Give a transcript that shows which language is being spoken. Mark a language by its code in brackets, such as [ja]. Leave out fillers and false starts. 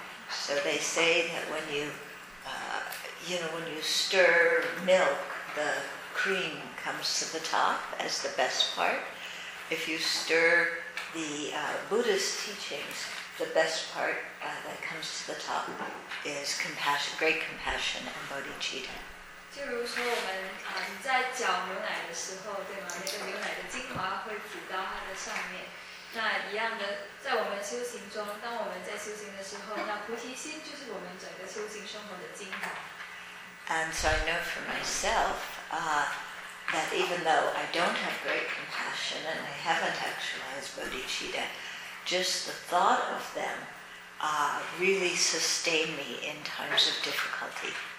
[en] So they say that when you, when you stir milk, the cream comes to the top as the best part. If you stir the Buddhist teachings, the best part that comes to the top is compassion, great compassion and bodhicitta. [zh] 就如说我们在搅牛奶的时候，对吗？那个牛奶的精华会浮到它的上面。那一样的，在我们修行中，当我们在修行的时候，那菩提心就是我们整个修行生活的精华。And [en] so I know for myself that even though I don't have great compassion and I haven't actualized bodhicitta, just the thought of them really sustain me in times of difficulty.